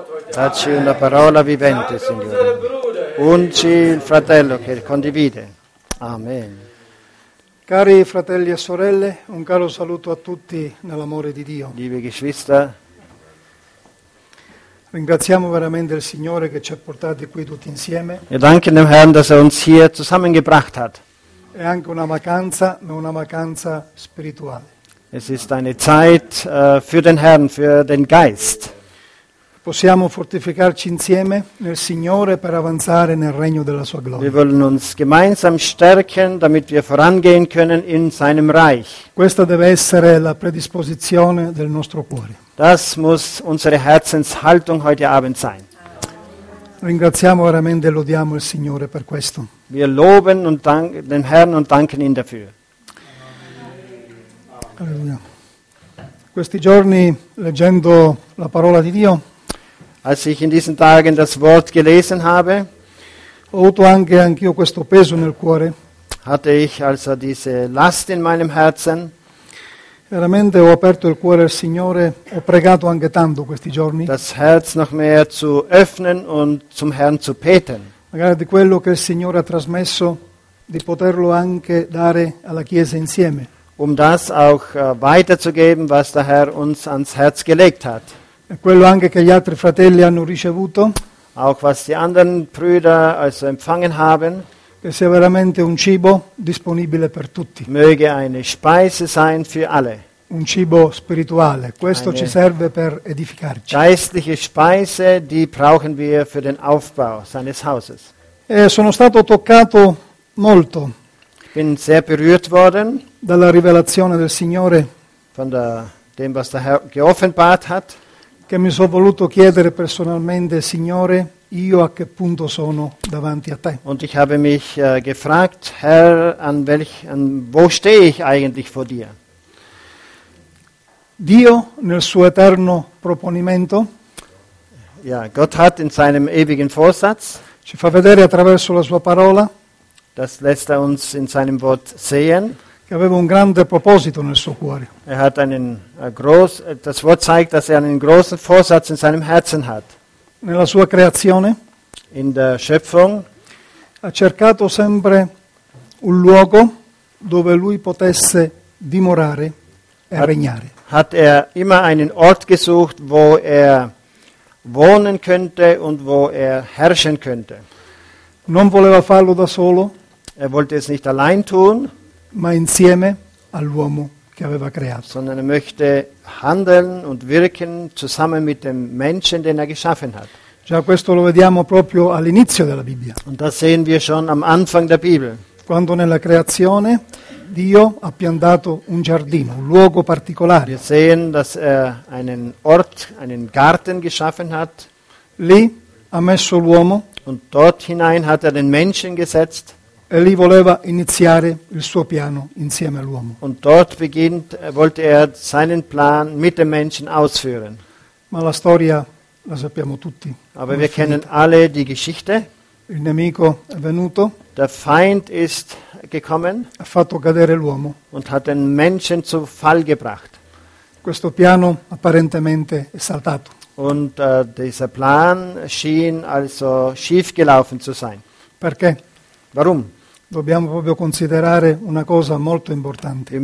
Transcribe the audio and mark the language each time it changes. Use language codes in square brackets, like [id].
[it] Dacci una parola vivente, Signore. Unci il fratello che condivide. Amen. Cari fratelli e sorelle, un caro saluto a tutti nell'amore di Dio. [de] Liebe Geschwister. [it] Ringraziamo veramente il Signore che ci ha portati qui tutti insieme. E anche [de] dem Herrn, dass uns hier zusammengebracht hat. [it] È anche una vacanza, ma una vacanza spirituale. [de] Es ist eine Zeit für den Herrn, für den Geist. [it] Possiamo fortificarci insieme nel Signore per avanzare nel regno della sua gloria. [de] Wir wollen uns gemeinsam stärken, damit wir vorangehen können in seinem Reich. [it] Questa deve essere la predisposizione del nostro cuore. [de] Das muss unsere Herzenshaltung heute Abend sein. [it] Ringraziamo veramente e lodiamo il Signore per questo. [de] Wir loben und danken den Herrn und danken ihn dafür. Alleluia. [it] Questi giorni leggendo la parola di Dio, [de] als ich in diesen Tagen das Wort gelesen habe, [it] ho avuto anche anch'io questo peso nel cuore. [de] Hatte ich also diese Last in meinem Herzen. [it] Veramente ho aperto il cuore al Signore, ho pregato anche tanto questi giorni. [de] Das Herz noch mehr zu öffnen und zum Herrn zu beten. [it] Magari di quello che il Signore ha trasmesso, di poterlo anche dare alla Chiesa insieme. [de] Um das auch weiterzugeben, was der Herr uns ans Herz gelegt hat. [it] Quello anche che gli altri fratelli hanno ricevuto. [de] Auch was die anderen Brüder also empfangen haben. [it] Che sia veramente un cibo disponibile per tutti. [de] Möge eine Speise sein für alle. [it] Un cibo spirituale. Questo eine ci serve per edificarci. [de] Geistliche Speise, die brauchen wir für den Aufbau seines Hauses. [it] E sono stato toccato molto. [de] Bin sehr berührt worden. [it] Dalla rivelazione del Signore, [de] von der, dem, was der Herr geoffenbart hat, [it] che mi sono voluto chiedere personalmente, Signore, io a che punto sono davanti a te? [de] Und ich habe mich gefragt, Herr, wo stehe ich eigentlich vor dir? [it] Dio nel suo eterno proponimento, [de] ja, Gott hat in seinem ewigen Vorsatz, [it] ci fa vedere attraverso la sua parola, [de] das lässt er uns in seinem Wort sehen. [it] Aveva un grande proposito nel suo cuore. [de] Er hat einen das Wort zeigt, dass er einen großen Vorsatz in seinem Herzen hat. [it] Nella sua creazione, [de] in der Schöpfung, [it] ha cercato sempre un luogo dove lui potesse dimorare e regnare. [de] Hat er immer einen Ort gesucht, wo er wohnen könnte und wo er herrschen könnte. [it] Non voleva farlo da solo. [de] Er wollte es nicht allein tun. [it] Ma insieme all'uomo che aveva creato. [de] Sondern er möchte handeln und wirken zusammen mit dem Menschen, den er geschaffen hat. [it] Già questo lo vediamo proprio all'inizio della Bibbia. [de] Und das sehen wir schon am Anfang der Bibel. [it] Quando nella creazione Dio ha piantato un giardino, un luogo particolare. [de] Wir sehen, dass er einen Ort, einen Garten geschaffen hat. [it] Lì ha messo l'uomo. [de] Und dort hinein hat er den Menschen gesetzt. [it] e lì voleva iniziare il suo piano insieme all'uomo. [de] Und dort beginnt, wollte er seinen Plan mit dem Menschen ausführen. [it] Ma la storia la sappiamo tutti. [de] Aber wir kennen alle die Geschichte. [it] Il nemico è venuto. [de] Der Feind ist gekommen. [it] Ha fatto cadere l'uomo. [de] Und hat den Menschen zu Fall gebracht. [it] Questo piano apparentemente è saltato. [de] Und dieser Plan schien also schief gelaufen zu sein. [it] Perché? [de] Warum? [it] Dobbiamo proprio considerare una cosa molto importante.